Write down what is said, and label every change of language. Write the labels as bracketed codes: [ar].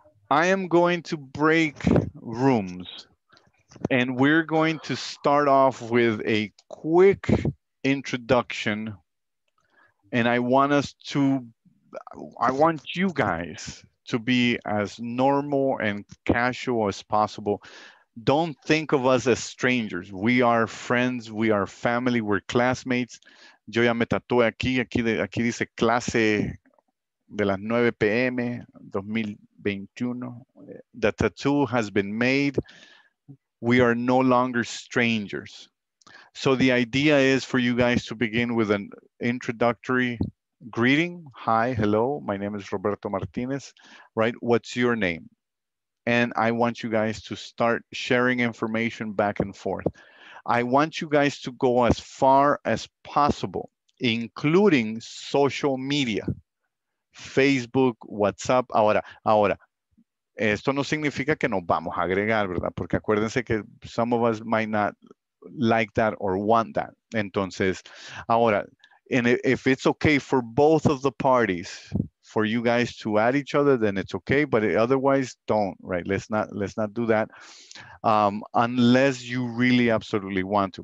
[en] I am going to break rooms and we're going to start off with a quick introduction. And I want you guys to be as normal and casual as possible. Don't think of us as strangers. We are friends, we are family, we're classmates. [es] Yo ya me tatué aquí dice clase de las 9 p.m. [en] 2021. The tattoo has been made. We are no longer strangers. So the idea is for you guys to begin with an introductory greeting. Hi, hello, my name is Roberto Martinez, right? What's your name? And I want you guys to start sharing information back and forth. I want you guys to go as far as possible, including social media, Facebook, WhatsApp. [es] Ahora, esto no significa que nos vamos a agregar, ¿verdad? Porque acuérdense que [en] some of us might not like that or want that. [es] Entonces, ahora, [en] and if it's okay for both of the parties, for you guys to add each other, then it's okay. But otherwise, don't, right? Let's not do that unless you really absolutely want to.